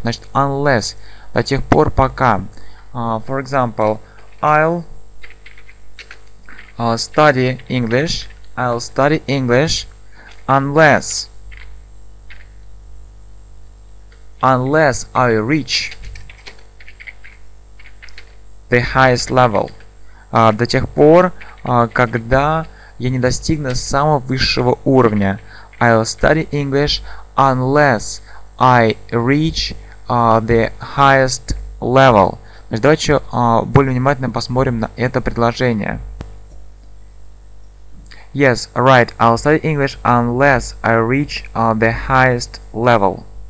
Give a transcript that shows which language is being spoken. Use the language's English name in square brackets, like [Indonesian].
[Russian] Значит, [English] unless, [Russian] до тех пор, пока. [English] For example, I'll study English unless I reach the highest level. [Russian] До тех пор, когда я не достигну самого высшего уровня. [English] I'll study English unless I reach the highest level. [Russian] Значит, давайте еще более внимательно посмотрим на это предложение. [English] Yes, right. I'll study English unless I reach the highest level.